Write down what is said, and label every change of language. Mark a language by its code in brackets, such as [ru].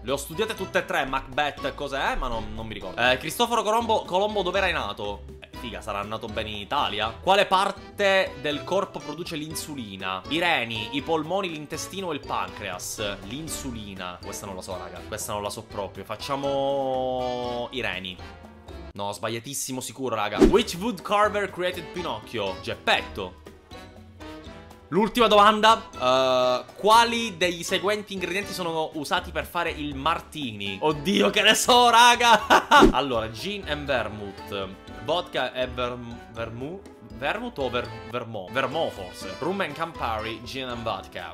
[it] Le ho studiate tutte e tre, Macbeth, cos'è? Ma non mi ricordo. Cristoforo Colombo, dove era nato? figa, sarà nato bene in Italia. Quale parte del corpo produce l'insulina? I reni, i polmoni, l'intestino o il pancreas? L'insulina. Questa non la so, raga. Questa non la so proprio. Facciamo i reni. No, sbagliatissimo sicuro, raga. [en] Which wood carver created Pinocchio? [it] Geppetto. L'ultima domanda. Quali dei seguenti ingredienti sono usati per fare il martini? Oddio, che ne so, raga. Allora, gin e vermouth. Vodka e vermouth. Vermouth o vermouth? Vermouth, forse. [en] Rum and Campari, gin and vodka.